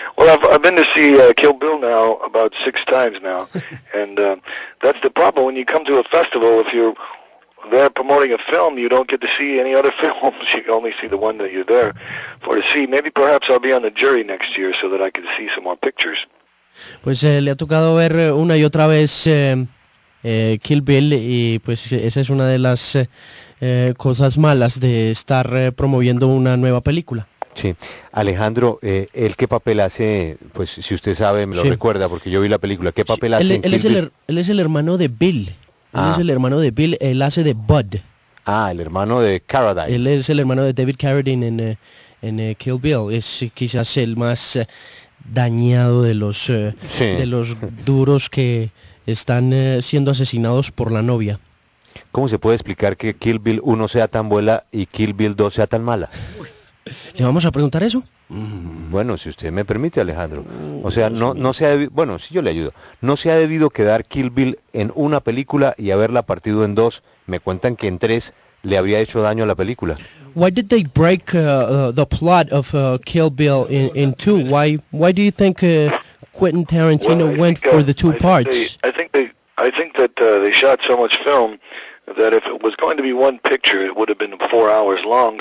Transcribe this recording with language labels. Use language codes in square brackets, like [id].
[en] Well, I've been to see Kill Bill now about 6 times now. And that's the problem. When you come to a festival, if you're there promoting a film, you don't get to see any other films. You only see the one that you're there for to see. Maybe perhaps I'll be on the jury next year so that I can see some more pictures. [es] Pues le ha tocado ver una y otra vez Kill Bill, y pues esa es una de las cosas malas de estar promoviendo una nueva película. Sí, Alejandro, ¿el qué papel hace? Pues si usted sabe, me lo recuerda, porque yo vi la película. ¿Qué papel hace en Kill Bill? Él es el hermano de Bill. Es el hermano de Bill, él hace de Bud. Ah, el hermano de Carradine. Él es el hermano de David Carradine en Kill Bill. Es quizás el más dañado de los de los duros que están siendo asesinados por la novia. ¿Cómo se puede explicar que Kill Bill 1 sea tan buena y Kill Bill 2 sea tan mala? ¿Le vamos a preguntar eso? Bueno, si usted me permite, Alejandro. O sea, no se ha debido, bueno, sí, yo le ayudo. No se ha debido quedar Kill Bill en una película y haberla partido en dos. Me cuentan que en tres le habría hecho daño a la película. [en] Why did they break the plot of Kill Bill in two? Why do you think Quentin Tarantino went for the two parts? I think that they shot so much film that if it was going to be one picture, it would have been 4 hours long.